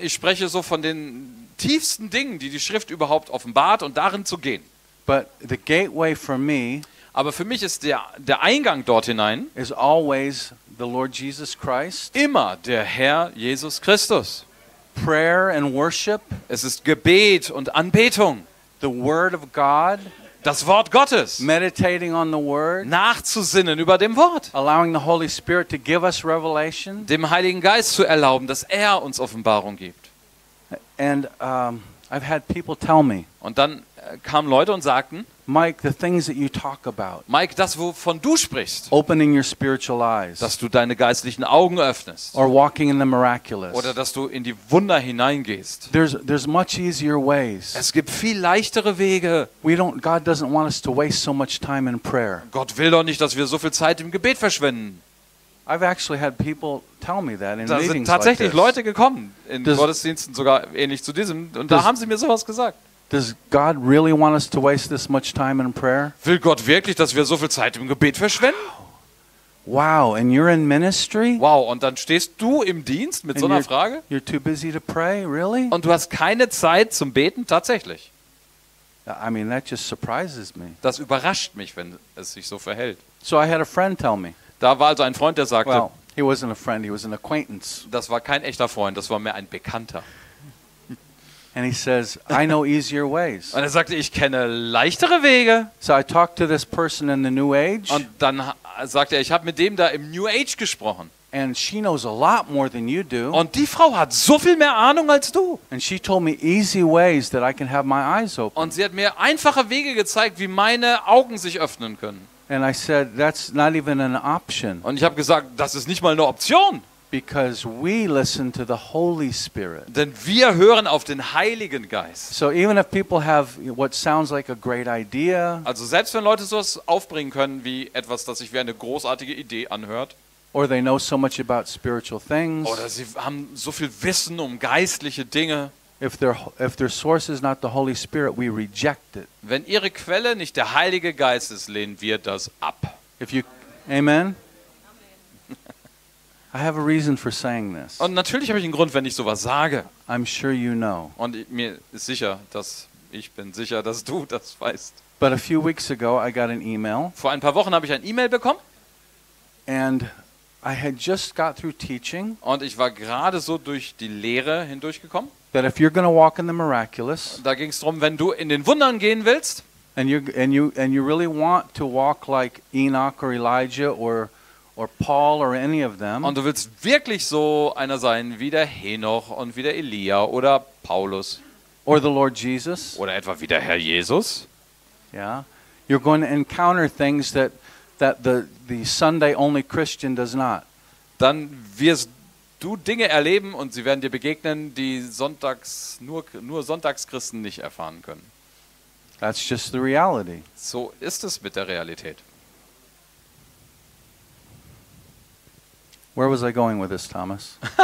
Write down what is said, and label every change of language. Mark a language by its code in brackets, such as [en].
[de] Ich spreche so von den tiefsten Dingen, die die Schrift überhaupt offenbart und darin zu gehen. [en] But the gateway for me, [de] aber für mich ist der Eingang dort hinein, [en] is always the Lord Jesus Christ. [de] Immer der Herr Jesus Christus. [en] Prayer and worship, [de] es ist Gebet und Anbetung. [en] The word of God, [de] das Wort Gottes. [en] Meditating on the word, [de] nachzusinnen über dem Wort. [en] Allowing the Holy Spirit to give us revelation, [de] dem Heiligen Geist zu erlauben, dass er uns Offenbarung gibt. [en] And I've had people tell me. [de] Und dann kamen Leute und sagten, [en] Mike, the things that you talk about. [de] Mike, das wovon du sprichst. [en] Opening your spiritual eyes. [de] Dass du deine geistlichen Augen öffnest. [en] Or walking in the miraculous. [de] Oder dass du in die Wunder hineingehst. [en] There's much easier ways. [de] Es gibt viel leichtere Wege. [en] God doesn't want us to waste so much time in prayer. [de] Gott will doch nicht, dass wir so viel Zeit im Gebet verschwenden. [en] I've actually had people tell me that in meetings. [de] Da sind tatsächlich Leute gekommen in Gottesdiensten sogar ähnlich zu diesem und da haben sie mir sowas gesagt. [en] Does God really want us to waste this much time in prayer? [de] Will Gott wirklich, dass wir so viel Zeit im Gebet verschwenden? [en] Wow, and you're in ministry? [de] Wow, und dann stehst du im Dienst mit so einer Frage? [en] You're too busy to pray, really? [de] Und du hast keine Zeit zum Beten, tatsächlich? [en] I mean, that just surprises me. [de] Das überrascht mich, wenn es sich so verhält. [en] So I had a friend tell me. [de] Da war also ein Freund, der sagte, [en] well, he wasn't a friend, he was an acquaintance. [de] Das war kein echter Freund, das war mehr ein Bekannter. [en] And he says, I know easier ways. [de] Und er sagte, ich kenne leichtere Wege. [en] So I talked to this person in the New Age. [de] Und dann sagte er, ich habe mit dem da im New Age gesprochen. [en] And she knows a lot more than you do. [de] Und die Frau hat so viel mehr Ahnung als du. [en] And she told me easy ways that I can have my eyes open. [de] Und sie hat mir einfache Wege gezeigt, wie meine Augen sich öffnen können. [en] And I said, that's not even an option. [de] Und ich habe gesagt, das ist nicht mal eine Option. [en] Because we listen to the Holy Spirit. [de] Denn wir hören auf den Heiligen Geist. [en] So even if people have what sounds like a great idea. [de] Also selbst wenn Leute sowas aufbringen können wie etwas, das sich wie eine großartige Idee anhört. [en] Or they know so much about spiritual things. [de] Oder sie haben so viel Wissen um geistliche Dinge. [en] If their source is not the Holy Spirit, we reject it. [de] Wenn ihre Quelle nicht der Heilige Geist ist, lehnen wir das ab. [en] If you, amen. I have a reason for saying this. [de] Und natürlich habe ich einen Grund, wenn ich sowas sage. [en] I'm sure you know. [de] Und mir ist sicher, dass ich bin sicher, dass du das weißt. [en] But a few weeks ago I got an email. [de] Vor ein paar Wochen habe ich ein E-Mail bekommen. [en] And I had just got through teaching. [de] Und ich war gerade so durch die Lehre hindurchgekommen. [en] That if you're going to walk in the miraculous. [de] Da ging es darum, wenn du in den Wundern gehen willst. [en] And you really want to walk like Enoch or Elijah or Paul or any of them. [de] Und du willst wirklich so einer sein wie der Henoch und wie der Elia oder Paulus. [en] Or the Lord Jesus. [de] Oder etwa wie der Herr Jesus. [en] Yeah. You're going to encounter things that the Sunday only Christian does not. [de] Dann wirst du Dinge erleben und sie werden dir begegnen, die nur Sonntagschristen nicht erfahren können. [en] That's just the reality. [de] So ist es mit der Realität. [en] Where was I going with this, Thomas?